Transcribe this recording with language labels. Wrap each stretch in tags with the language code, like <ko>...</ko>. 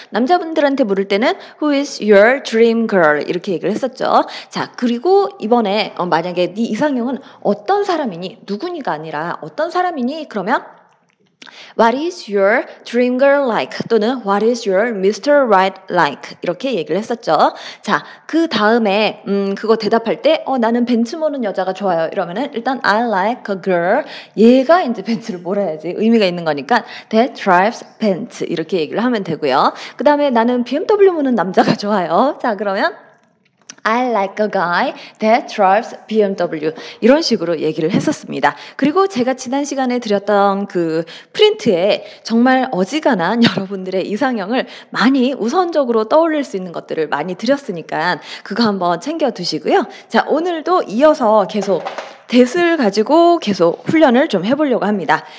<ko>남자분들한테 물을 때는</ko> <en>Who is your dream girl?</en> <ko>이렇게 얘기를 했었죠. 자, 그리고 이번에 만약에 네 이상형은 어떤 사람이니? 누구니가 아니라 어떤 사람이니? 그러면</ko> <en>What is your dream girl like?</en> <ko>또는</ko> <en>What is your Mr. Right like?</en> <ko>이렇게 얘기를 했었죠. 자, 그 다음에 그거 대답할 때 나는 벤츠 모는 여자가 좋아요. 이러면은 일단</ko> <en>I like a girl.</en> <ko>얘가 이제 벤츠를 몰아야지 의미가 있는 거니까</ko> <en>That drives Benz.</en> <ko>이렇게 얘기를 하면 되고요. 그 다음에 나는 BMW 모는 남자가 좋아요. 자, 그러면</ko> <en>I like a guy that drives BMW.</en> <ko>이런 식으로 얘기를 했었습니다. 그리고 제가 지난 시간에 드렸던 그 프린트에 정말 어지간한 여러분들의 이상형을 많이 우선적으로 떠올릴 수 있는 것들을 많이 드렸으니까 그거 한번 챙겨 두시고요. 자, 오늘도 이어서 계속 this을 가지고 계속 훈련을 좀 해보려고 합니다.</ko>